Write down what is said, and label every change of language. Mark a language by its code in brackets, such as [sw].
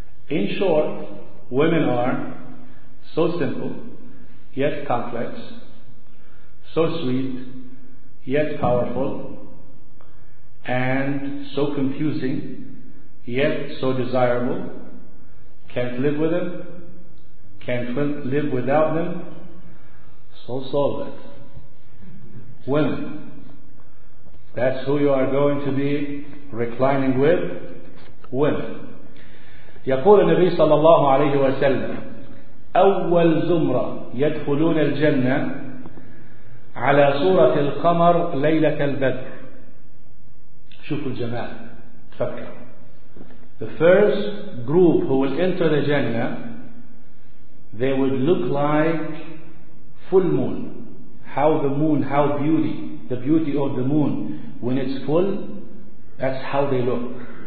[en] In short, women are so simple yet complex, so sweet yet powerful, and so confusing yet so desirable. Can't live with them, can't live without them. So solve it. Women, that's who you are going to be reclining with. Women. [ar] يقول النبي صلى الله عليه وسلم أول زمرة يدخلون الجنة على صورة القمر ليلة البدر. شوفوا الجماعة تفكر. [en] The first group who will enter the Jannah, they would look like full moon. How the moon, how beauty, the beauty of the moon when it's full, that's how they look.